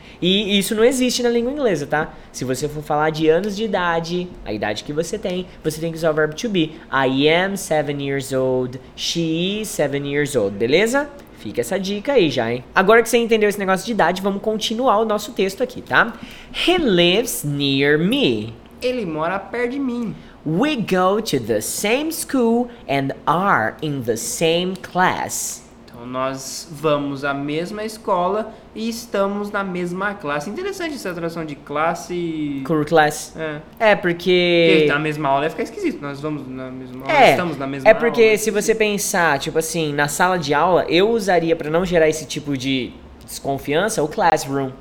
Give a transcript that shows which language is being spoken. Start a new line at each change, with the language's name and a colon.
Portuguese: E isso não existe na língua inglesa, tá? Se você for falar de anos de idade, a idade que você tem que usar o verbo to be.
English: I am 7 years old, she is 7 years old, beleza?
Portuguese: Fica essa dica aí já, hein? Agora que você entendeu esse negócio de idade, vamos continuar o nosso texto aqui, tá?
English: He lives near me.
Portuguese: Ele mora perto de mim.
English: We go to the same school and are in the same class.
Portuguese: Então nós vamos à mesma escola e estamos na mesma classe. Interessante essa tradução de classe...
English: Cool class.
Portuguese: É. É porque... Na mesma aula ia ficar esquisito. Nós vamos na mesma aula, estamos na mesma aula. É porque se você pensar, tipo assim, na sala de aula, eu usaria pra não gerar esse tipo de desconfiança o classroom.